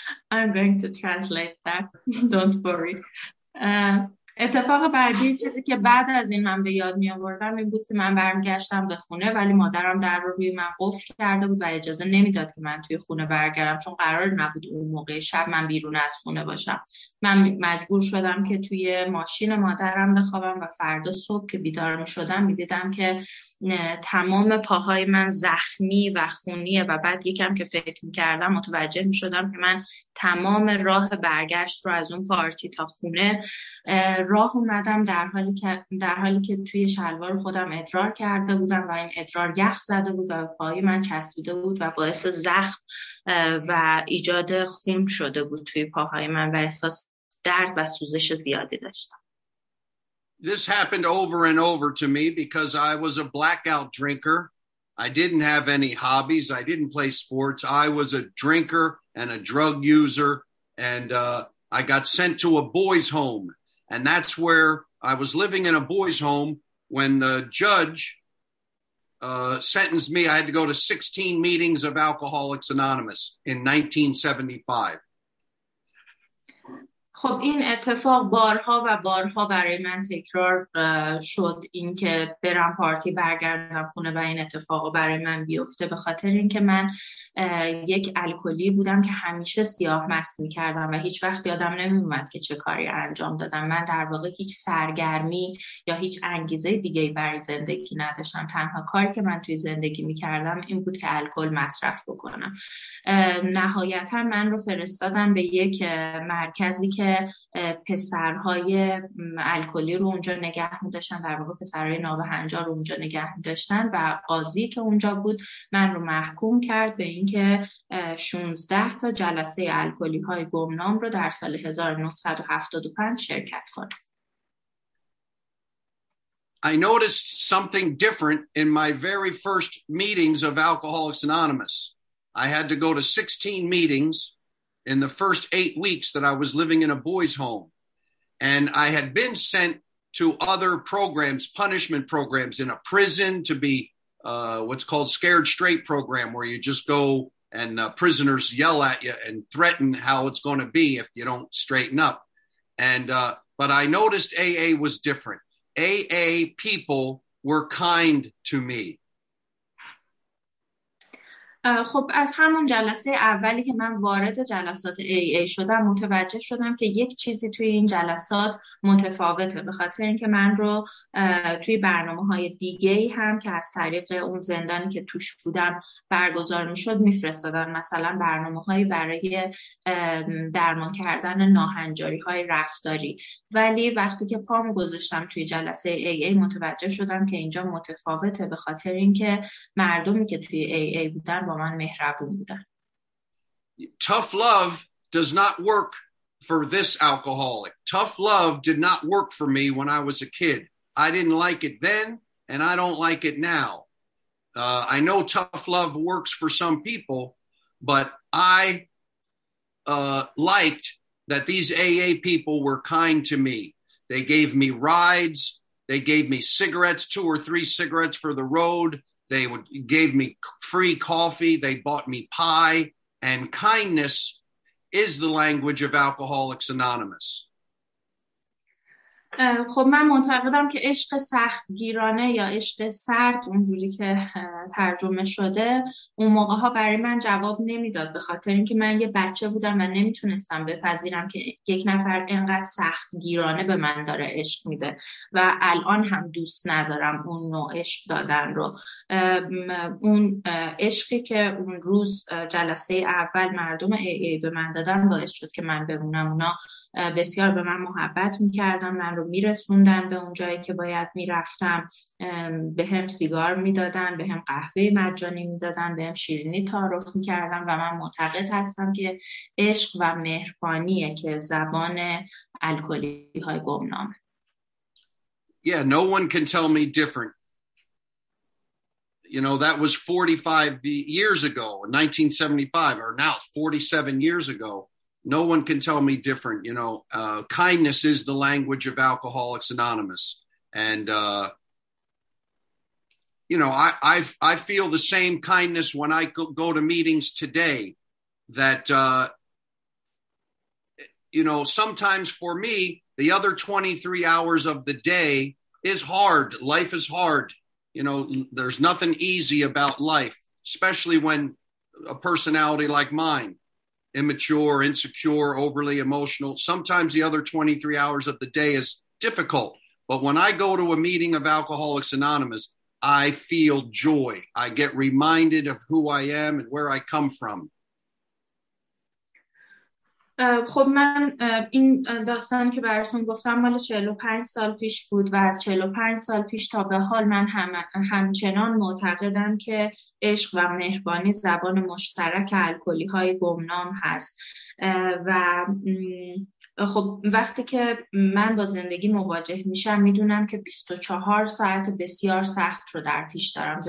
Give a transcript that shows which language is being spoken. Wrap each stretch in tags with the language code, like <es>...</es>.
<en>I'm going to translate that. Don't worry.</en> <fa>اتفاق بعدی چیزی که بعد از این من به یاد می آوردم این بود که من برمیگشتم به خونه ولی مادرم در رو روی من قفل کرده بود و اجازه نمیداد که من توی خونه برگردم چون قرار نبود اون موقع شب من بیرون از خونه باشم. من مجبور شدم که توی ماشین مادرم بخوابم و فردا صبح که بیدار می شدم می دیدم که تمام پاهای من زخمی و خونیه و بعد یکم که فکر می کردم متوجه می شدم که من تمام راه برگشت رو از اون پارتی تا خونه راه اومدم در حالی که توی شلوار خودم ادرار کرده بودم و این ادرار یخ زده بود و پای من چسبیده بود و باعث زخم و ایجاد خون شده بود توی پاهای من و احساس درد و سوزش زیادی داشتم.</fa> <en>This happened over and over to me because I was a blackout drinker. I didn't have any hobbies. I didn't play sports. I was a drinker and a drug user and I got sent to a boys' home. And that's where I was living in a boys' home when the judge sentenced me. I had to go to 16 meetings of Alcoholics Anonymous in 1975.</en> <fa>خب این اتفاق بارها و بارها برای من تکرار شد این که برم پارتی برگردم خونه و این اتفاق برای من بیفته به خاطر اینکه من یک الکلی بودم که همیشه سیاه مست می کردم و هیچ وقت یادم نمی اومد که چه کاری انجام دادم. من در واقع هیچ سرگرمی یا هیچ انگیزه دیگه برای زندگی نداشتم. تنها کاری که من توی زندگی می کردم این بود که الکل مصرف بکنم. نهایتا من رو فرستادن به یک مرکزی که پسرهای الکلی رو اونجا نگه می داشتن، در واقع پسرهای نابهنجار رو اونجا نگه می داشتن و قاضی که اونجا بود من رو محکوم کرد به اینکه 16 تا جلسه الکلی های گمنام رو در سال 1975 شرکت کنم.</fa> <en>I noticed something different in my very first meetings of Alcoholics Anonymous. I had to go to 16 meetings in the first 8 weeks that I was living in a boys home. And I had been sent to other programs, punishment programs in a prison to be what's called scared straight program, where you just go and prisoners yell at you and threaten how it's going to be if you don't straighten up. But I noticed AA was different. AA people were kind to me.</en> <fa>خب از همون جلسه اولی که من وارد جلسات AA شدم متوجه شدم که یک چیزی توی این جلسات متفاوته به خاطر اینکه من رو توی برنامه‌های دیگه‌ای هم که از طریق اون زندانی که توش بودم برگزار می‌شد می‌فرستادن، مثلا برنامه‌های برای درمان کردن ناهنجاری‌های رفتاری، ولی وقتی که پامو گذاشتم توی جلسه AA متوجه شدم که اینجا متفاوته به خاطر اینکه مردمی که توی AA بودن با من مهربون بودن.</fa> <en>Tough love does not work for this alcoholic. Tough love did not work for me when I was a kid. I didn't like it then and I don't like it now. I know tough love works for some people, but I liked that these AA people were kind to me. They gave me rides, they gave me cigarettes, 2 or 3 cigarettes for the road. They gave me free coffee. They bought me pie. And kindness is the language of Alcoholics Anonymous.</en> <fa>خب من معتقدم که عشق سختگیرانه یا عشق سرد اونجوری که ترجمه شده اون موقع ها برای من جواب نمیداد به خاطر اینکه من یه بچه بودم و نمیتونستم بپذیرم که یک نفر اینقدر سختگیرانه به من داره عشق میده و الان هم دوست ندارم اون نوع عشق دادن رو. اون عشقی که اون روز جلسه اول مردم AA به من دادن باعث شد که من بمونم. اونا بسیار به من محبت میکردن، من رو میرسوندن به اون جایی که باید میرفتم، به هم سیگار میدادن، به هم قهوه مجانی میدادن، به هم شیرینی تعارف میکردن و من معتقد هستم که عشق و مهربانیه که زبان الکلی های گمنامه.</fa> <en>Yeah, no one can tell me different. You know, that was 45 years ago, 1975, or now 47 years ago. No one can tell me different. You know, kindness is the language of Alcoholics Anonymous. And you know, I feel the same kindness when I go to meetings today that, you know, sometimes for me, the other 23 hours of the day is hard. Life is hard. You know, there's nothing easy about life, especially when a personality like mine, immature, insecure, overly emotional. Sometimes the other 23 hours of the day is difficult. But when I go to a meeting of Alcoholics Anonymous, I feel joy. I get reminded of who I am and where I come from.</en> <fa>خب من این داستان که براتون گفتم مال 45 سال پیش بود و از 45 سال پیش تا به حال من همچنان معتقدم که عشق و مهربانی زبان مشترک الکلی های گمنام هست و خب وقتی که من با زندگی مواجه میشم میدونم که 24 ساعت بسیار سخت رو در پیش دارم.</fa>